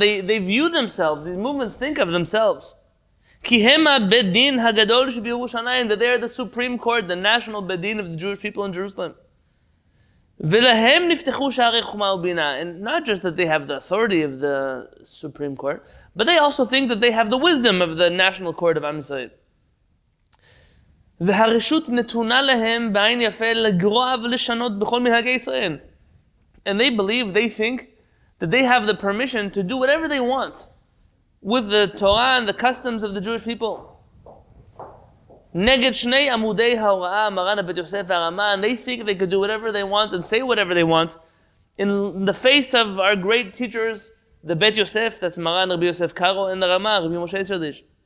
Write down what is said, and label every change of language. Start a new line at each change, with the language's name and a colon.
English: They view themselves. These movements think of themselves.
Hebrew: Kihema bedin hagadol shebirushalayim,
English: that they are the supreme court, the national bedin of the Jewish people in Jerusalem.
Hebrew: Velahem niftechu sharei chuma ubina,
English: and not just that they have the authority of the supreme court, but they also think that they have the wisdom of the national court of Am Yisrael.
Hebrew: והרשות נתונה להם בעין יפה לגרוע ולשנות בכל מנהגי ישראל.
English: And they believe, they think, that they have the permission to do whatever they want with the Torah and the customs of the Jewish people.
Hebrew: נגד שני עמודי ההוראה, מרן הבית יוסף והרמה,
English: and they think they could do whatever they want and say whatever they want in the face of our great teachers, the Bet Yosef, that's מרן רבי יוסף קארו, and the רמה, רבי משה ישראלדיש.